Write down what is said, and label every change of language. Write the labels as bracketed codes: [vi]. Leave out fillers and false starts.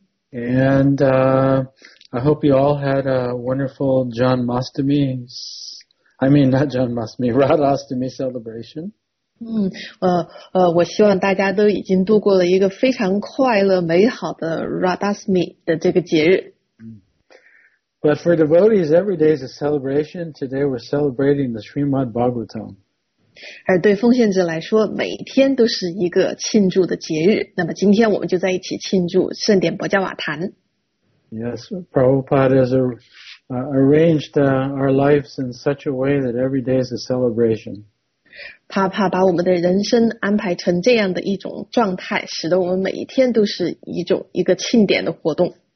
[en] And、I hope you all had a wonderful Janmashtami, I mean not Janmashtami, Radhashtami celebration. [zh] 我希望大家都已经度过了一个非常快乐美好的 Radhashtami 的这个节日。 [en] But for devotees, every day is a celebration. Today we're celebrating the Srimad Bhagavatam. [zh] 而对奉献者来说，每天都是一个庆祝的节日。那么今天我们就在一起庆祝盛典博加瓦坛。 [en] Yes, Prabhupada has arranged our lives in such a way that every day is a celebration. [zh] 他怕把我们的人生安排成这样的一种状态，使得我们每一天都是一个庆典的活动。